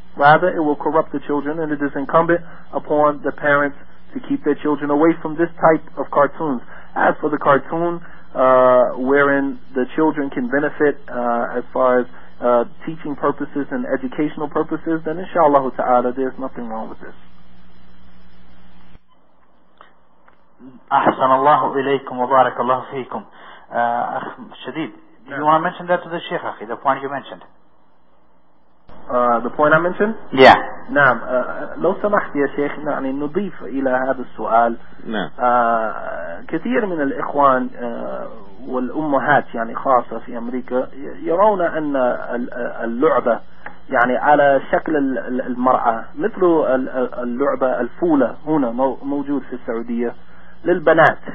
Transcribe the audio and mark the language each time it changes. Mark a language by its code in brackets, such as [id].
[en] Rather, it will corrupt the children, and it is incumbent upon the parents to keep their children away from this type of cartoons. As for the cartoon wherein the children can benefit as far as teaching purposes and educational purposes, then inshallah ta'ala, there's nothing wrong with this. [ar] أحسن الله إليكم وبارك الله فيكم. [en] أخ شديد, do you want to mention that to the Sheikh, أخي, the point you mentioned? The point I mentioned? Yeah. [ar] نعم. لو سمحت يا شيخ, يعني نضيف إلى هذا السؤال. نعم. كثير من الإخوان والأمهات, يعني خاصة في أمريكا, يرون أن اللعبة يعني على شكل المرأة, مثل اللعبة الفولة هنا موجود في السعودية للبنات.